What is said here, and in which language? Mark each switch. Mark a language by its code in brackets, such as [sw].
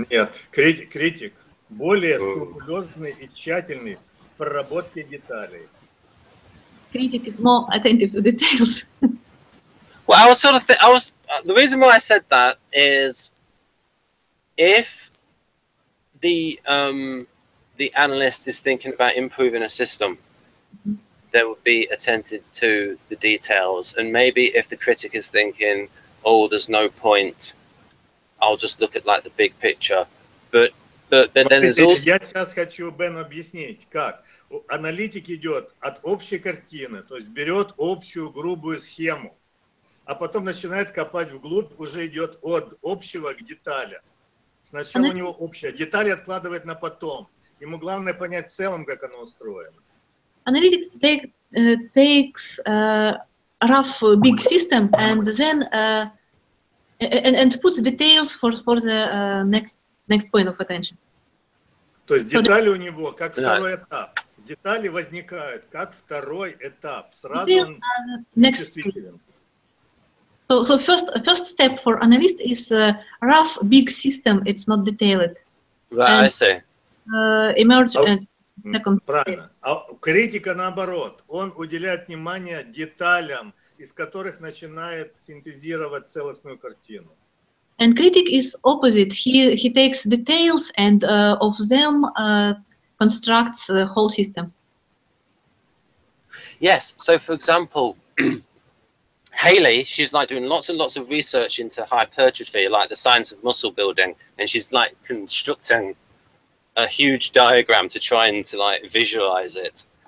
[ru] Нет, критик более скрупулезный и тщательный в проработке деталей. [en] Critic is more attentive to details. Well, the reason why I said that is if the analyst is thinking about improving a system, they would be attentive to the details. And maybe if the critic is thinking, oh, there's no point, I'll just look at like the big picture. But then there's also... [ru] Я сейчас хочу, Бен, объяснить, как. Аналитик идет от общей картины, то есть берет общую грубую схему, а потом начинает копать вглубь, уже идет от общего к деталям. Сначала у него общая, детали откладывает на потом. Ему главное понять в целом, как оно устроено. [en] Analytics takes a rough big system and then and puts details for the next point of attention. [ru] То есть детали у него как второй этап. Детали возникают как второй этап. Сразу он [en] next. So first step for analyst is a rough big system. It's not detailed. Right, I see. Emergent. [ru] Правильно. А критика наоборот. Он уделяет внимание деталям, из которых начинает синтезировать целостную картину. [en] And critic is opposite. He takes details and of them constructs the whole system. Yes. So for example, Hayley, she's like doing lots and lots of research into hypertrophy, like the science of muscle building, and she's like constructing a huge diagram to try and to like visualize it.